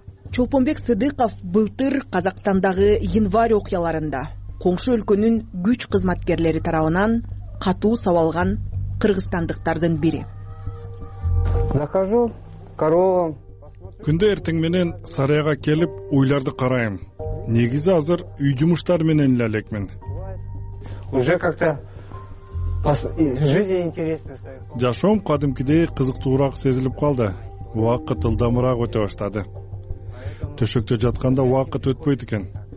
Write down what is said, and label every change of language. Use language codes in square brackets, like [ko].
[ky] Чолпонбек Сыдыков былтыр Казакстандагы январь окуяларында коңшу өлкөнүн күч кызматкерлери тарабынан катуу сабалган кыргызстандыктардын бири. [ru] Захожу коровам. [ky] Күндө эртең менен сарайга келип уйларды карайм. Негизи азыр үй жумуштары менен эле алекмин. [ru] Уже как-то жизнь интересная. [ky] Жашоом кадимкидей кызыктуураак сезилип калды. уақыт ылдамырақ өте баштады. Төшөктө жатканда уақыт өтпөйт экен.